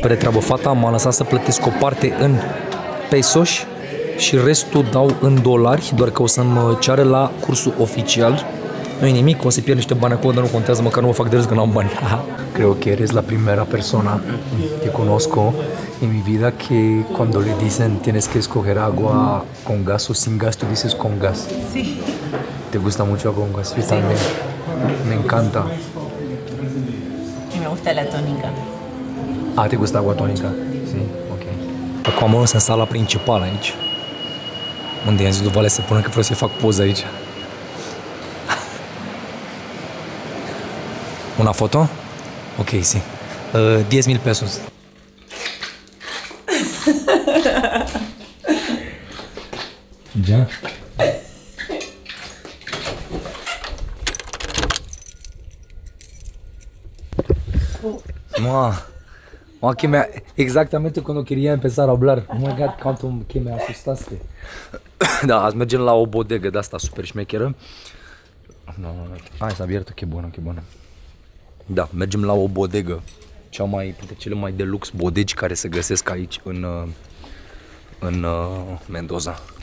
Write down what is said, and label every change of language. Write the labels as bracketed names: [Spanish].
[Romanian] Pre treabă fata, am lăsat să plătesc o parte în pesos și restul dau în dolari, doar că o să mă ceară la cursul oficial. Nu e nimic, o să pierd niște bani acolo, dar nu contează, măcar nu mă fac de râs că n-am bani. [Spanish] Creo que eres la primera persona que conozco en mi vida que cuando le dicen tienes que escoger agua con gas o sin gas, tú dices con gas. Sí. ¿Te gusta mucho agua con gas? Sí. También. Me encanta. Y me gusta la tónica. Ah, ¿te gusta agua tónica? Sí, ok. [Romanian] Acum am ajuns în sala principală aici. Unde i-am zis după alea să pună că vreau să-i fac poză aici. [Spanish] Una foto? Ok, si. Sí. 10.000 pesos. Ja. Mua. Mua, que me... Exactamente cuando quería empezar a hablar. [English] Oh my god, [Spanish] cuánto que me asustaste. [Romanian] Da, azi mergem la o bodegă de asta super șmecheră. [Spanish] No, no, no. [Romanian] Ai, [Spanish] s-a abierto, [Romanian] que bună, que bună. Da, mergem la o bodegă, cea mai, poate cele mai de lux bodegi care se găsesc aici în Mendoza.